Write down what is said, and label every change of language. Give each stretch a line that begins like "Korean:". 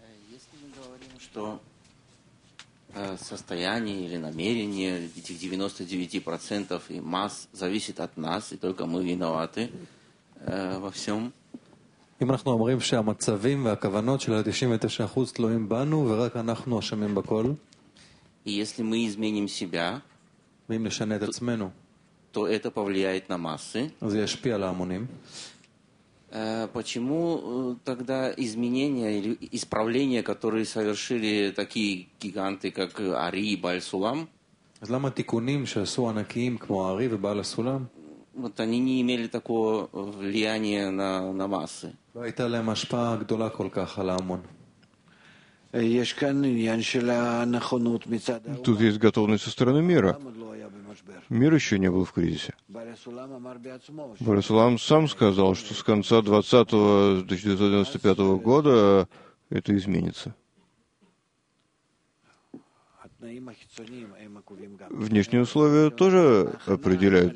Russian: Если мы говорим, что состояние или намерение этих 99% и масс зависит от нас, и только мы виноваты во всем,
Hebrew: אם אנחנו אומרים שהמצבים והכוונות של 99% תלויים בנו ורק אנחנו אשמים בכל.
Russian: И если мы изменим себя,
Hebrew: ואם נשנה את עצמנו,
Russian: то это повлияет на массы.
Hebrew: זה ישפיע על ההמונים.
Russian: Почему тогда изменения или исправления, которые совершили такие гиганты, как Ари и Бааль Сулам?
Hebrew: אז למה תיקונים שעשו ענקיים כמו Ари ובעל הסולם?
Russian: Вот они не имели такого влияния на массы.
Hebrew: הייתה להם השפעה גדולה כל כך על ההמון. יש כאן עניין של הנכונות מצד העולם.
Russian: Тут есть готовность со стороны мира. Мир еще не был в кризисе. Бааль Сулам сам сказал, что с конца 20-го, 1995 года это изменится. Внешние условия тоже определяют.